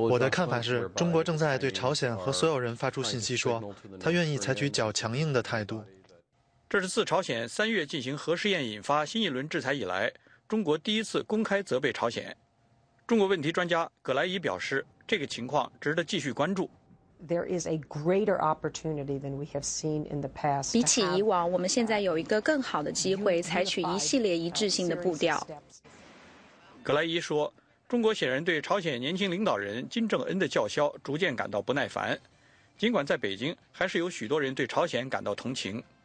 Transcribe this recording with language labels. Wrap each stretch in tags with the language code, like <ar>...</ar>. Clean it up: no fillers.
<zh>我的看法是，中国正在对朝鲜和所有人发出信息说，他愿意采取较强硬的态度。这是自朝鲜三月进行核试验引发新一轮制裁以来，中国第一次公开责备朝鲜。中国问题专家葛莱伊表示，这个情况值得继续关注。</zh> <en>There is a greater opportunity than we have seen in the past.</en> <zh>比起以往，我们现在有一个更好的机会，采取一系列一致性的步调。葛莱伊说，中国显然对朝鲜年轻领导人金正恩的叫嚣逐渐感到不耐烦，尽管在北京还是有许多人对朝鲜感到同情。</zh>